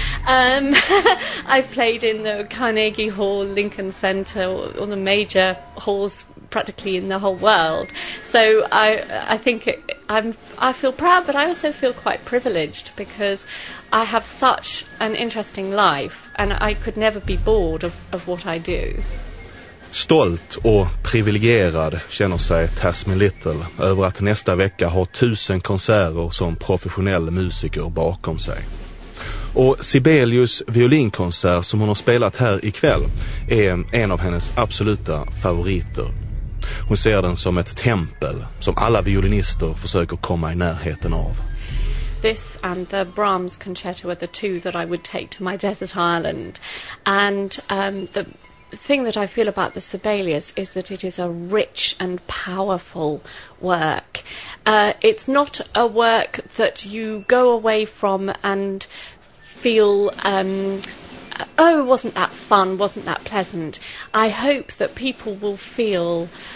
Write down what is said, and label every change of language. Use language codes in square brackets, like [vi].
[en] I've played in the Carnegie Hall, Lincoln Center, all the major halls practically in the whole world. So I feel proud, but I also feel quite privileged because I have such an interesting life and I could never be bored of what I do. [sv] Stolt och privilegierad känner sig Tasmin Little över att nästa vecka ha 1000 konserter som professionell musiker bakom sig. Och Sibelius violinkonsert som hon har spelat här ikväll är en av hennes absoluta favoriter. Hon ser den som ett tempel som alla violinister försöker komma i närheten av. [en] This and the Brahms concerto are the two that I would take to my desert island. And the thing that I feel about the Sibelius is that it is a rich and powerful work. It's not a work that you go away from and feel wasn't that fun, wasn't that pleasant. I hope that people will feel